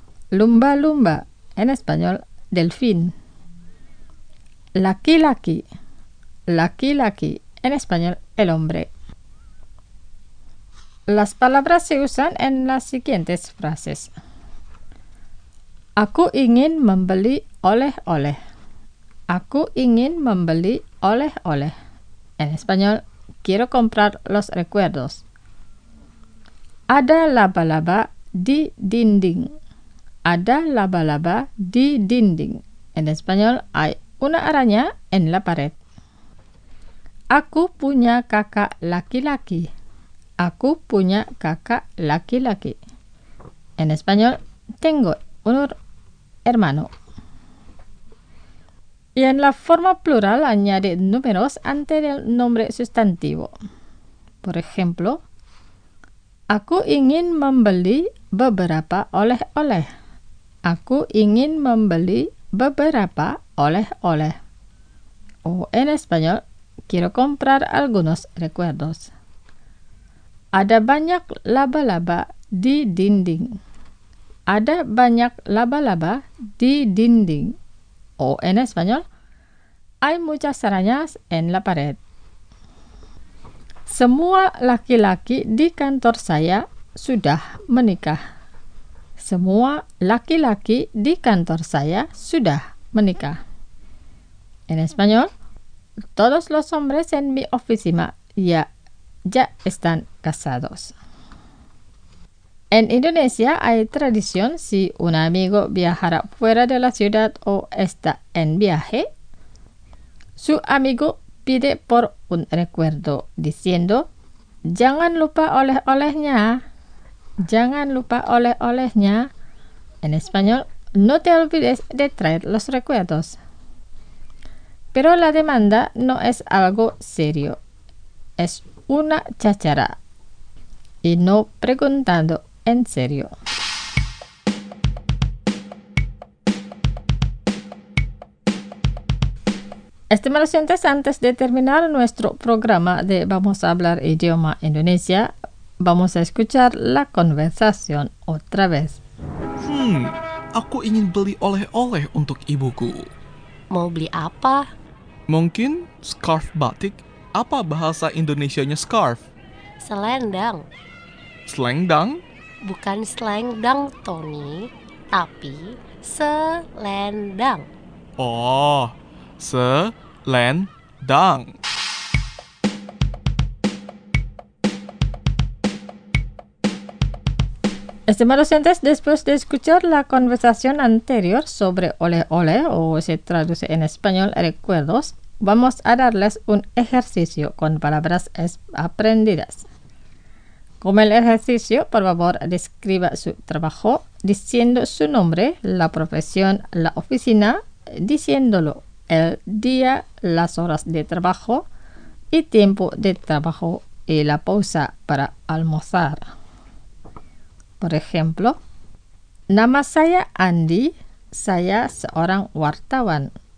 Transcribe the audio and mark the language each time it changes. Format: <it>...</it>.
<id>Lumba lumba,</id> <es>en español, delfín.</es> <id>Laki laki. Laki laki,</id> <es>en español, el hombre. Las palabras se usan en las siguientes frases.</es> <id>Aku ingin membeli oleh-oleh. Aku ingin membeli oleh-oleh.</id> <es>En español, quiero comprar los recuerdos.</es> <id>Ada laba-laba di dinding. Ada laba-laba di dinding.</id> <es>En español, hay una araña en la pared.</es> <id>Aku punya kakak laki-laki. Aku punya kakak laki-laki.</id> <es>En español, tengo un hermano. Y en la forma plural añade números antes del nombre sustantivo. Por ejemplo,</es> <id>aku ingin membeli beberapa oleh-oleh. Aku ingin membeli beberapa oleh-oleh.</id> <es>O en español, quiero comprar algunos recuerdos.</es> <id>Ada banyak laba-laba di dinding. Ada banyak laba-laba di dinding.</id> <es>O en español, hay muchas arañas en la pared.</es> <id>Semua laki-laki di kantor saya sudah menikah. Semua laki-laki di kantor saya sudah menikah.</id> <es>En español, todos los hombres en mi oficina ya están casados. En Indonesia hay tradición si un amigo viajara fuera de la ciudad o está en viaje. Su amigo pide por un recuerdo diciendo,</es> <id>jangan lupa oleh-olehnya. Jangan lupa oleh-olehnya.</id> <es>En español, no te olvides de traer los recuerdos. Pero la demanda no es algo serio. Es una cháchara. Y no preguntando en serio. Estimados oyentes, antes de terminar nuestro programa de Vamos a hablar idioma Indonesia, vamos a escuchar la conversación otra vez.</es> <id>Aku ingin beli oleh-oleh untuk ibuku. Mau beli apa? Mungkin scarf batik. Apa bahasa Indonesianya scarf? Selendang. Selendang? Bukan selendang, Tony, tapi selendang. Oh, selendang.</id> <es>Estimados oyentes, después de escuchar la conversación anterior sobre oleh-oleh, o se traduce en español, recuerdos, vamos a darles un ejercicio con palabras aprendidas. Como el ejercicio, por favor, describa su trabajo diciendo su nombre, la profesión, la oficina, diciéndolo, el día, las horas de trabajo y tiempo de trabajo y la pausa para almorzar. Por ejemplo,</es> <id>nama saya Andy, saya seorang wartawan.</id>